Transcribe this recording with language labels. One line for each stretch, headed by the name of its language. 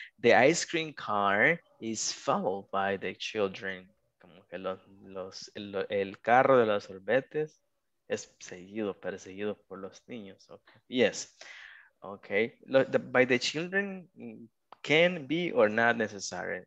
English: The ice cream car is followed by the children.
Spanish: Como que el carro de los sorbetes es perseguido por los niños.
English: Okay. Yes. Okay. By the children can be or not necessary.